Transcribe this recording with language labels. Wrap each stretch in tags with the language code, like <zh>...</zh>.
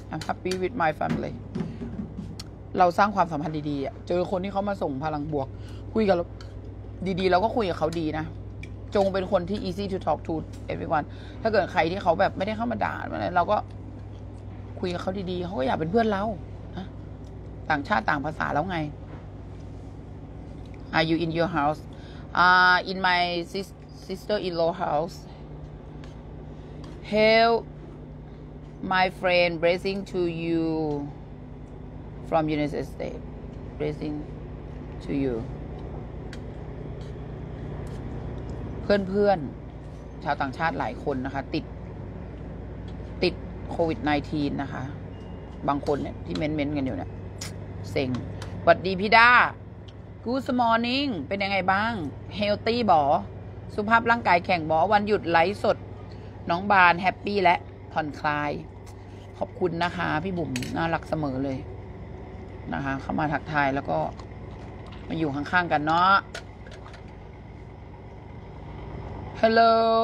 <en>I'm happy with my family.</en> <th>เราสร้างความสัมพันธ์ดีๆเจอคนที่เขามาส่งพลังบวกคุยกับดีๆแล้วก็คุยกับเขาดีนะจงเป็นคนที่</th> <en>easy to talk to everyone.</en> <th>ถ้าเกิดใครที่เขาแบบไม่ได้เข้ามาด่าอะไรเราก็คุยกับเขาดีๆเขาก็อยากเป็นเพื่อนเราต่างชาติต่างภาษาแล้วไง</th> <en>Are you in your house? In my sister-in-law house. Hail my friend, blessing to you from United States. Blessing to you.</en> <th>เพื่อนๆชาวต่างชาติหลายคนนะคะติดโควิด-19 นะคะบางคนเนี่ยที่เม้นกันอยู่เนี่ยสวัสดีพี่ด้า</th> <en>Good morning</en> <th>เป็นยังไงบ้าง Healthy บ่อสุขภาพร่างกายแข็งบ่อวันหยุดไลฟ์สดน้องบานแฮปปี้และผ่อนคลายขอบคุณนะคะพี่บุ๋มน่ารักเสมอเลยนะคะเข้ามาทักทายแล้วก็มาอยู่ข้างๆกันเนาะ</th> <en>Hello</en>